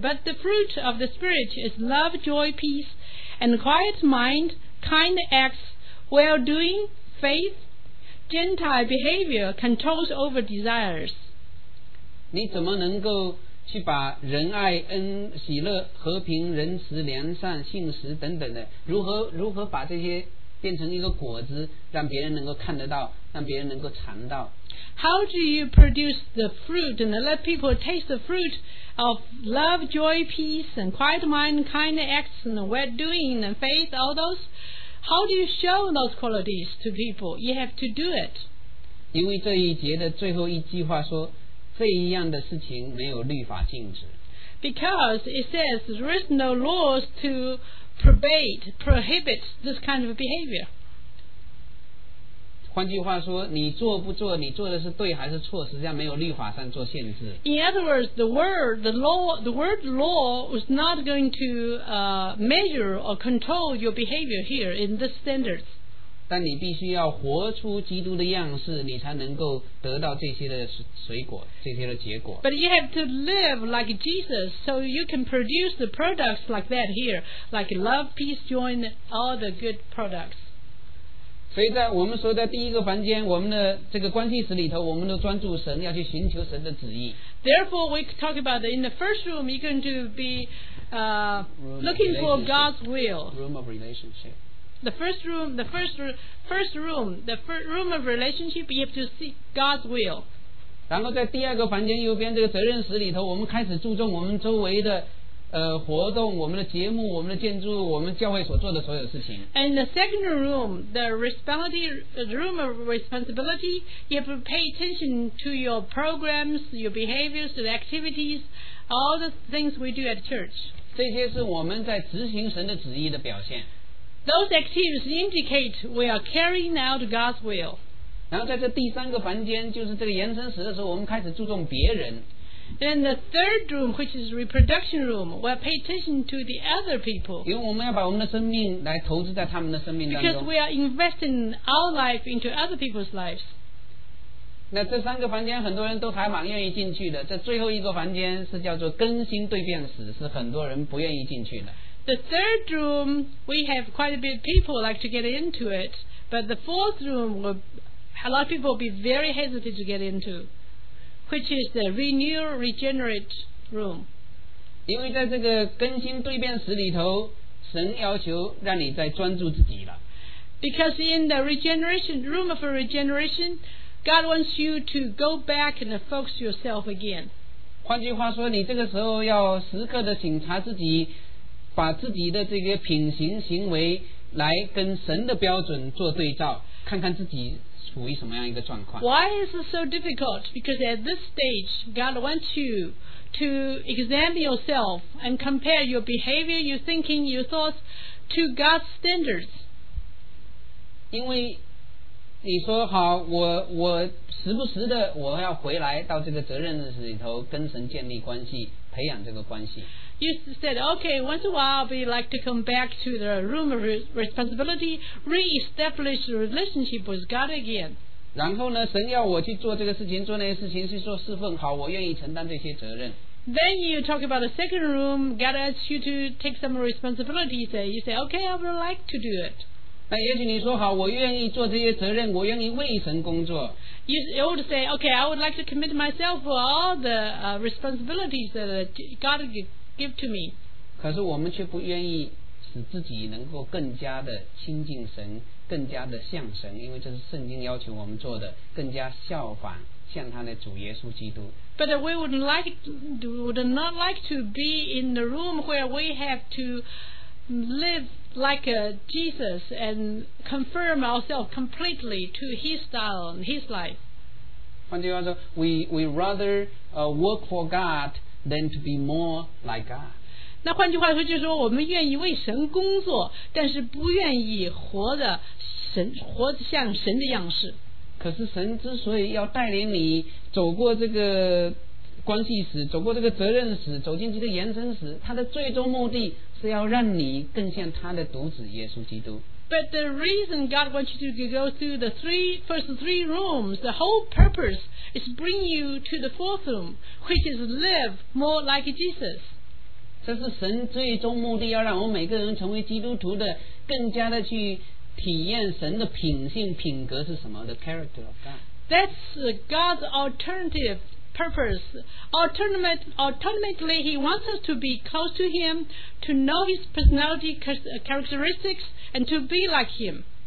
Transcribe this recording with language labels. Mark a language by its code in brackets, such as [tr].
[en] But the fruit of the Spirit is love, joy, peace, and quiet mind, kind acts, well-doing, faith, gentle behavior, controls over desires. [zh] 你怎么能够去把仁爱、恩、喜乐、和平、仁慈、良善、信实等等的，如何把这些变成一个果子，让别人能够看得到，让别人能够尝到 [en] ？How do you produce the fruit and let people taste the fruit of love, joy, peace, and quiet mind, kind acts, and well doing, and faith? All those. How do you show those qualities to people? You have to do it. [zh] 因为这一节的最后一句话说。这一样的事情没有律法禁止。 [en] Because it says there is no laws to prohibit this kind of behavior. [zh] 换句话说，你做不做，你做的是对还是错，实际上没有律法上做限制。 [en] In other words, the word law was not going to measure or control your behavior here in this standard. [zh] 但你必须要活出基督的样式，你才能够得到这些的水果，这些的结果。 [en] But you have to live like Jesus, so you can produce the products like that here, like love, peace, joy, and all the good products. [zh] 所以在我们说，在第一个房间，我们的这个关系室里头，我们都专注神，要去寻求神的旨意。 [en] Therefore, we talk about in the first room, you're going to be looking for God's will. Room of relationship. The first room, the first room of relationship, you have to seek God's will. [zh] 然后在第二个房间右边这个责任室里头，我们开始注重我们周围的活动，我们的节目，我们的建筑，我们教会所做的所有事情。 [en] And the second room, the room of responsibility, you have to pay attention to your programs, your behaviors, the activities, all the things we do at church. [zh] 这些是我们在执行神的旨意的表现。 [en] Those activities indicate we are carrying out God's will. [zh] 然后在这第三个房间，就是这个延伸室的时候，我们开始注重别人。 [en] In the third room, which is reproduction room, we pay attention to the other people. [zh] 因为我们要把我们的生命来投资在他们的生命当中。 [en] Because we are investing our life into other people's lives. [zh] 那这三个房间很多人都还蛮愿意进去的。这最后一个房间是叫做更新蜕变室，是很多人不愿意进去的。 [en] The third room, we have quite a bit of people like to get into it, but the fourth room, a lot of people will be very hesitant to get into, which is the renewal, regenerate room. [zh] 因为在这个更新蜕变室里头，神要求让你在专注自己了。 [en] Because in the regeneration, room of regeneration, God wants you to go back and focus yourself again. [zh] 换句话说，你这个时候要时刻的省察自己，把自己的这个品行行为来跟神的标准做对照，看看自己处于什么样一个状况。 [en] Why is it so difficult? Because at this stage, God wants you to examine yourself and compare your behavior, your thinking, your thoughts to God's standards. [zh] 因为你说好，我时不时的我要回来到这个责任的里头，跟神建立关系，培养这个关系。 [en] You said, okay, once in a while we like to come back to the room of responsibility, re-establish the relationship with God again. [zh] 然后呢，神要我去做这个事情，做那些事情，去做侍奉，好，我愿意承担这些责任。 [en] Then you talk about the second room, God asks you to take some responsibility, you say, okay, I would like to do it. [zh] 那也许你说好，我愿意做这些责任，我愿意为神工作。 [en] You would say, okay, I would like to commit myself for all the responsibilities that God give to me. [zh] 可是我们却不愿意使自己能够更加的亲近神，更加的像神，因为这是圣经要求我们做的，更加效法像他的主耶稣基督。 [en] But we would not like to be in the room where we have to live like Jesus and confirm ourselves completely to his style and his life. [zh] 换句话说， [en] we rather work for God than to be more like God. [zh] 那换句话说就是说，我们愿意为神工作，但是不愿意活得神，活得像神的样式。可是神之所以要带领你走过这个关系史，走过这个责任史，走进这个延伸史，他的最终目的是要让你更像他的独子耶稣基督。 [en] But the reason God wants you to go through the first three rooms, the whole purpose is bring you to the fourth room, which is live more like Jesus. [zh] 这是神最终目的，要让我每个人成为基督徒的，更加的去体验神的品性品格是什么， [en] the character of God. That's God's alternative purpose. Ultimately, he wants us to be close to him, to know his personality characteristics, and to be like him.